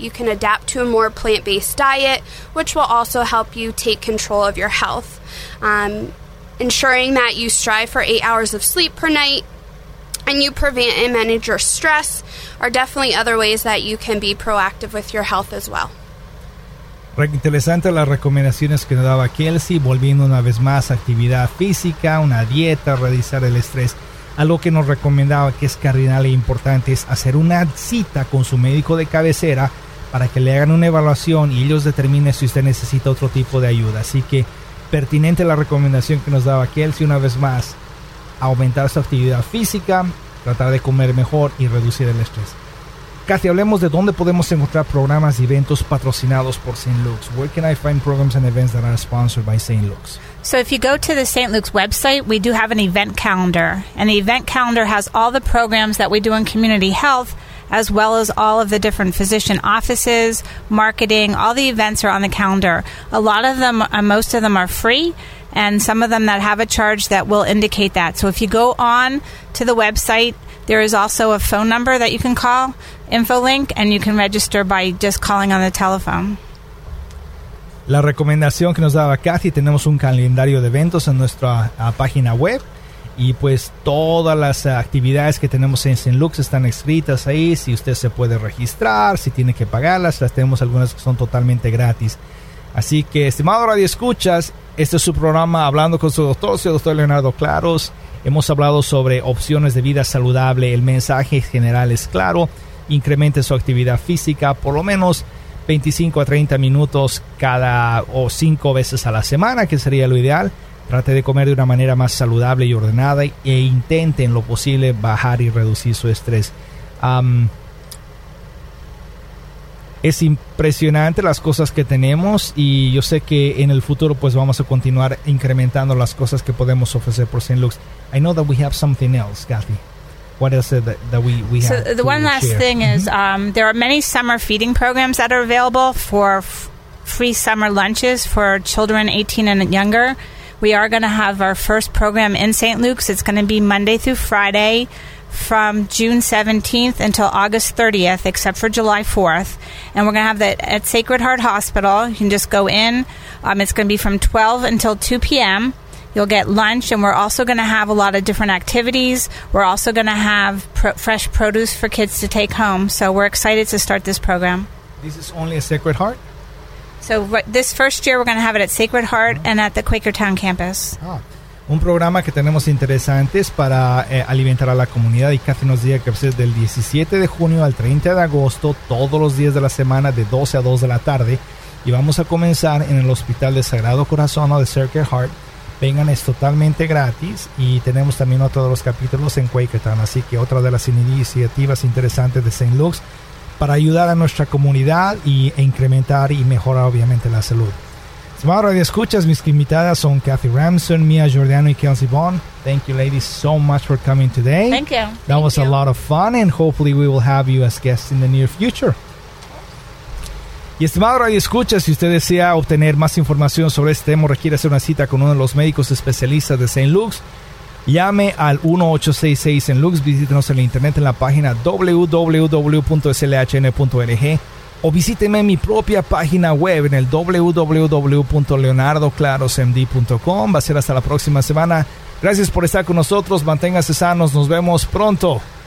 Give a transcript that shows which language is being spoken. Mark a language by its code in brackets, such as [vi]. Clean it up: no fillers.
[en] You can adapt to a more plant-based diet, which will also help you take control of your health. Ensuring that you strive for 8 hours of sleep per night and you prevent and manage your stress are definitely other ways that you can be proactive with your health as well. [es] Interesante las recomendaciones que nos daba Kelsey, volviendo una vez más a actividad física, una dieta, reducir el estrés. Algo que nos recomendaba que es cardinal e importante es hacer una cita con su médico de cabecera para que le hagan una evaluación y ellos determinen si usted necesita otro tipo de ayuda. Así que pertinente la recomendación que nos daba Kelsey una vez más. Aumentar su actividad física, tratar de comer mejor y reducir el estrés. Kathy, hablemos de dónde podemos encontrar programas y eventos patrocinados por St. Luke's. [en] Where can I find programs and events that are sponsored by St. Luke's? So if you go to the St. Luke's website, we do have an event calendar. And the event calendar has all the programs that we do in community health, as well as all of the different physician offices, marketing, all the events are on the calendar. A lot of them, most of them are free, and some of them that have a charge that will indicate that. So if you go on to the website, there is also a phone number that you can call, info link, and you can register by just calling on the telephone. [es] La recomendación que nos daba Kathy, tenemos un calendario de eventos en nuestra página web, y pues todas las actividades que tenemos en St. Luke's están escritas ahí, si usted se puede registrar, si tiene que pagarlas, las tenemos algunas que son totalmente gratis. Así que, estimado Radio Escuchas, este es su programa Hablando con su Doctor, soy el Dr. Leonardo Claros. Hemos hablado sobre opciones de vida saludable, el mensaje general es claro, incremente su actividad física por lo menos 25 a 30 minutos cada o 5 veces a la semana, que sería lo ideal. Trate de comer de una manera más saludable y ordenada e intente en lo posible bajar y reducir su estrés. Es impresionante las cosas que tenemos y yo sé que en el futuro pues vamos a continuar incrementando las cosas que podemos ofrecer por St. Luke's. [en] I know that we have something else, Kathy. What else that we have? So the one last share? Thing is there are many summer feeding programs that are available for free summer lunches for children 18 and younger. We are going to have our first program in St. Luke's. It's going to be Monday through Friday from June 17th until August 30th, except for July 4th. And we're going to have that at Sacred Heart Hospital. You can just go in. It's going to be from 12 until 2 p.m. You'll get lunch, and we're also going to have a lot of different activities. We're also going to have fresh produce for kids to take home. So we're excited to start this program. This is only at Sacred Heart? So this first year, we're going to have it at Sacred Heart and at the Quakertown campus. [es] Un programa que tenemos interesantes para alimentar a la comunidad. Y Kathy nos dice que es del 17 de junio al 30 de agosto, todos los días de la semana, de 12 a 2 de la tarde. Y vamos a comenzar en el Hospital de Sagrado Corazón o de Sacred Heart. Vengan, es totalmente gratis. Y tenemos también otro de los capítulos en Quakertown. Así que otra de las iniciativas interesantes de St. Luke's para ayudar a nuestra comunidad y incrementar y mejorar obviamente la salud. Estimado Radio Escuchas, mis invitadas son Kathy Ramson, Mia Giordano y Kelsey Vaughn. [en] Thank you ladies so much for coming today. Thank you. That was a lot of fun, and hopefully we will have you as guests in the near future. [es] Y estimado Radio Escuchas, si usted desea obtener más información sobre este tema, requiere hacer una cita con uno de los médicos especialistas de St. Luke's. Llame al 1-866 en Lux, visítenos en la internet en la página www.slhn.org o visíteme en mi propia página web en el www.leonardoclarosmd.com. Va a ser hasta la próxima semana. Gracias por estar con nosotros. Manténganse sanos. Nos vemos pronto.